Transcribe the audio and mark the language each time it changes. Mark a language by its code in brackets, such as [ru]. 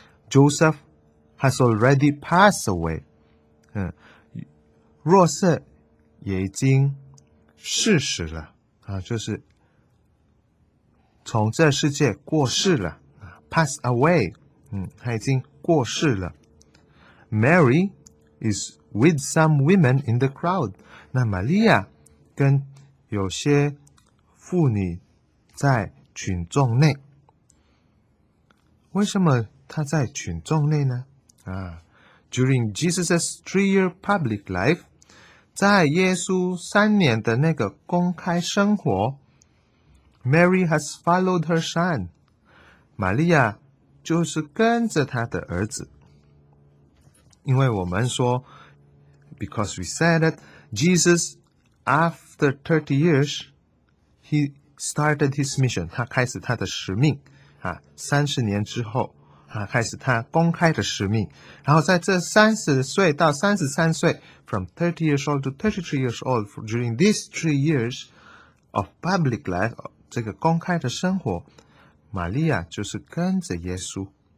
[en] Joseph has already passed away。 [zh] 若瑟也已经逝世了啊，就是从这世界过世了。 [en] Pass away, [zh] 他已经过世了。 [en] Mary is with some women in the crowd. [zh] 那玛利亚跟有些妇女在群众内。为什么他在群众内呢？ [en] During Jesus' three-year public life, [zh] 在耶稣三年的那个公开生活， [en] Mary has followed her son. [zh] 玛利亚就是跟着他的儿子。因为我们说 [en] because we said that Jesus, after 30 years, he started his mission. [zh] 他开始他的使命。30年之后开始他公开的使命，然后在这30岁到33岁 [en] from 30 years old to 33 years old during these 3 years of public life [zh] 这个公开的生活，玛利亚就是跟着耶稣。